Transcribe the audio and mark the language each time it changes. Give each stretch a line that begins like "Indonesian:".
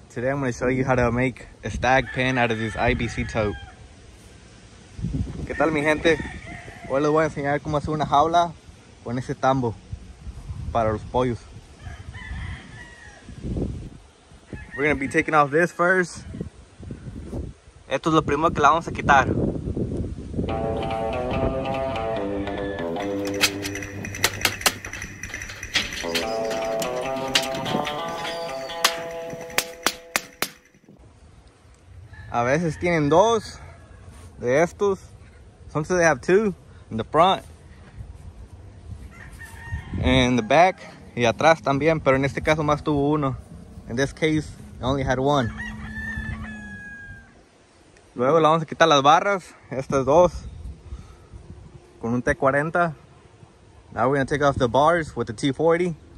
English: Today I'm going to show you how to make a stag pen out of this IBC tote.
Spanish: ¿Qué tal, mi gente? Hoy les voy a enseñar cómo hacer una jaula con ese tambo para los pollos.
English: We're going to be taking off this first.
Spanish: Esto es lo primero que la vamos a quitar. A veces tienen dos de estos.
English: Sometimes they have two in the front and in the back,
Spanish: y atrás también, pero en este caso más tuvo uno.
English: In this case, I only had one.
Spanish: Luego le vamos a quitar las barras, estas dos, con un T40.
English: Now we're gonna take off the bars with the T40.